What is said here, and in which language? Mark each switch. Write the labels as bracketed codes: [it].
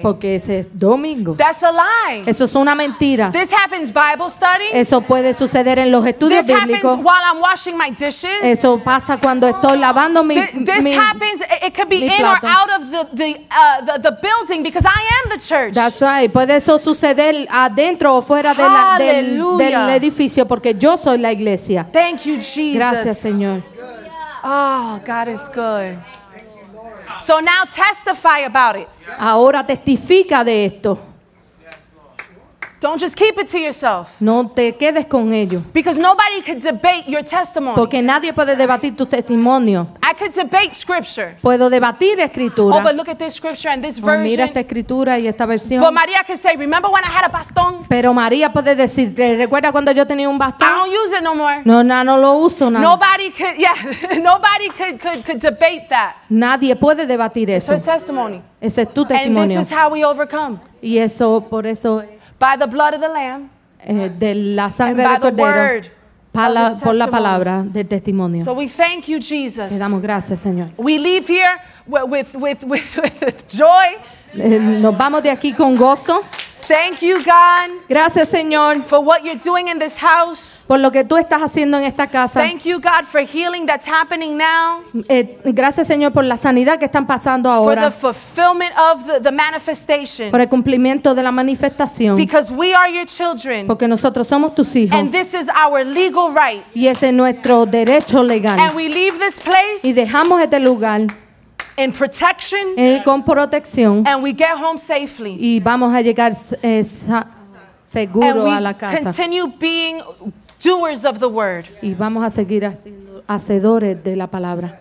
[es] Porque ese es domingo. [en] That's a lie. [es] Eso es una mentira. [en] This happens Bible study. [es] Eso puede suceder en los estudios [en] this [es] bíblicos. [en] This happens while I'm washing my dishes. [es] Eso pasa cuando estoy lavando mi [en] This happens. It could be in or out of the building because I am the church. That's right. [es] Puede eso suceder adentro o fuera de la, del edificio porque yo soy la iglesia. [en] Thank you, Jesus. [es] Gracias, Señor. [en] Oh, God is good. So now testify about it. [es] Ahora testifica de esto. [en] Don't just keep it to yourself. [es] No te quedes con ello. [en] Because nobody could debate your testimony. [es] Porque nadie puede debatir tu testimonio. [en] I could debate scripture. [es] Puedo debatir escritura. [en] Oh, but look at this scripture and this version. [es] Mira esta escritura y esta versión. [en] But María could say, "Remember when I had a bastón?" [es] Pero María puede decir, ¿te recuerda cuando yo tenía un bastón? [en] I don't use it no more. [es] No, no, no lo uso nada. [en] Nobody could, yeah, nobody could debate that. [es] Nadie puede debatir eso. [en] It's her testimony. [es] Ese es tu testimonio. [en] And this is how we overcome. [es] Y eso, por eso. [en] By the blood of the Lamb, [es] de la sangre del cordero, [en] word, [es] pala, por la palabra del testimonio. [en] So we thank you, Jesus. [es] Te damos gracias, Señor. [en] We leave here with joy. [es] Nos vamos de aquí con gozo. [en] Thank you, God. [es] Gracias, Señor. [en] For what you're doing in this house. [es] Por lo que tú estás haciendo en esta casa. [en] Thank you, God, for healing that's happening now. [es] Gracias, Señor, por la sanidad que están pasando ahora. [en] For the fulfillment of the manifestation. [es] Por el cumplimiento de la manifestación. [en] Because we are your children. [es] Porque nosotros somos tus hijos. [en] And this is our legal right. [es] Y ese es nuestro derecho legal. [en] And we leave this place. [es] Y dejamos este lugar. [en] In protection, [es] con protección, [en] and we get home safely. [es] Y vamos a llegar seguro a la casa. [en] And we continue being doers of the word. [es] Y vamos a seguir haciendo hacedores de la palabra.